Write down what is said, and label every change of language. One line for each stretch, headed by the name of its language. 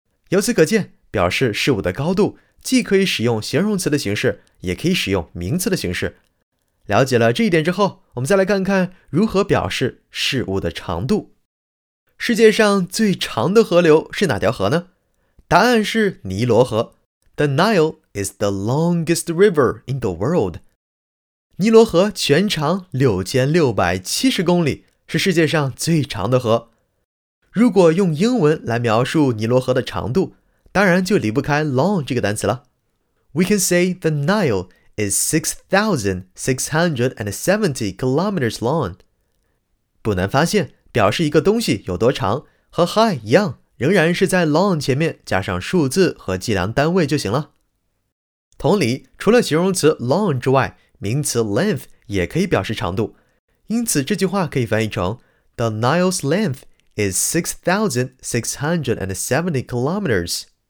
Chinese: 由此可见，表示事物的高度既可以使用形容词的形式，也可以使用名词的形式。了解了这一点之后，我们再来看看如何表示事物的长度。世界上最长的河流是哪条河呢？答案是尼罗河。
English: The Nile is the longest river in the world.
Chinese: 尼罗河全长6670公里，是世界上最长的河。如果用英文来描述尼罗河的长度，当然就离不开 long 这个单词了。
English: We can say the Nile is 6670 kilometers long.
Chinese: 不难发现，表示一个东西有多长，和 high 一样，仍然是在 long 前面加上数字和计量单位就行了。同理，除了形容词 long 之外，名词 length 也可以表示长度。因此这句话可以翻译成
English: The Nile's length is 6670 kilometers.